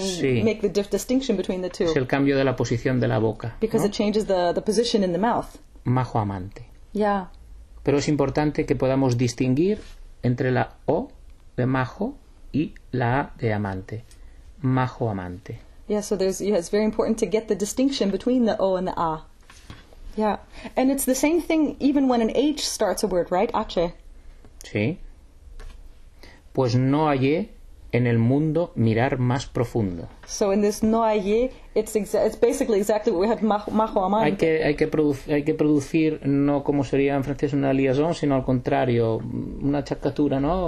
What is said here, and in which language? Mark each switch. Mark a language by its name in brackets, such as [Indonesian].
[Spanish] sí, [English] make the distinction between the two. [Spanish] Es el cambio de la posición de la boca. [English] Because, [Spanish] ¿no?, [English] it changes the position in the mouth. [Spanish] Majo amante. [English] Yeah. [Spanish] Pero es importante que podamos distinguir entre la O de majo y la A de amante. Majo amante. [English] Yeah, so it's very important to get the distinction between the O and the A. Yeah, and it's the same thing even when an H starts a word, right? H. [Spanish] Sí. Pues no hallé en el mundo mirar más profundo. [English] So in this no hallé, it's basically exactly what we had majo amante. [Spanish] Hay que producir, no como sería en francés una liaison, sino al contrario, una chacatura, ¿no?